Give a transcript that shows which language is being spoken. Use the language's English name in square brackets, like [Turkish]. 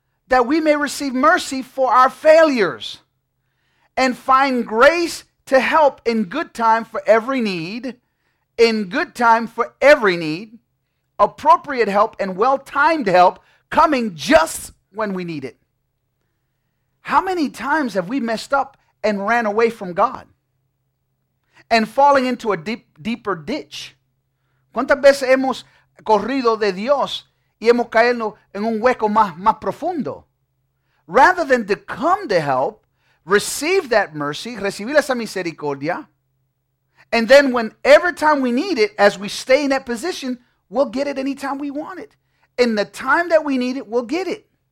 [English] That we may receive mercy for our failures and find grace to help in good time for every need, appropriate help and well-timed help coming just when we need it. How many times have we messed up and ran away from God and falling into a deeper ditch? [Spanish] ¿Cuántas veces hemos corrido de Dios y hemos caído en un hueco más profundo? [English] Rather than to come to help, receive that mercy, [Spanish] recibir esa misericordia, [English] and then every time we need it, as we stay in that position, we'll get it anytime we want it. In the time that we need it, we'll get it.